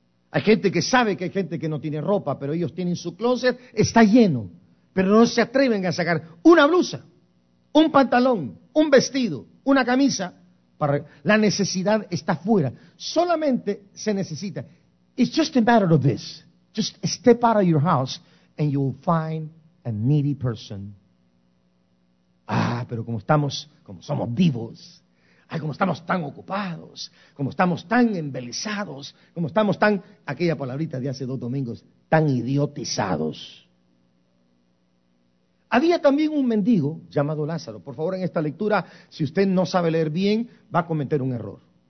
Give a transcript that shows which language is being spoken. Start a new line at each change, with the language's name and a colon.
Spanish: Hay gente que sabe que hay gente que no tiene ropa, pero ellos tienen su closet, está lleno, pero no se atreven a sacar una blusa, un pantalón, un vestido, una camisa. La necesidad está fuera. Solamente se necesita.
English: It's just a matter of this. Just step out of your house and you'll find a needy person.
Spanish: Ah, pero como somos vivos, ay, como estamos tan ocupados, como estamos tan embelesados, como estamos tan, aquella palabrita de hace dos domingos, tan idiotizados. Había también un mendigo llamado Lázaro. Por favor, en esta lectura, si usted no sabe leer bien, va a cometer un error.